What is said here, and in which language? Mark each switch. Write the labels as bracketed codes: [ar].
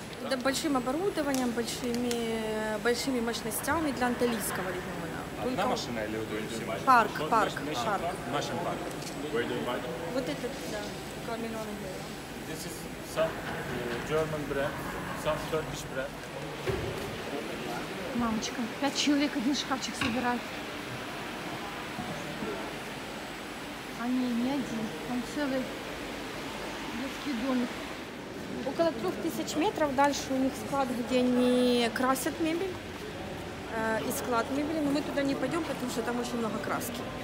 [ru] Да, большим оборудованием, большими мощностями для Анталийского региона. Только... Одна машина или вы думаете? Парк. [en] Where do you buy them? [ru] Вот этот, да, 2 миллиона евро. [en] This is some German brand, some Turkish brand. [ru] Мамочка, 5 человек один шкафчик собирает. А не, не один, там целый детский домик. Около 3000 метров дальше у них склад, где они красят мебель, и склад мебели, но мы туда не пойдем, потому что там очень много краски.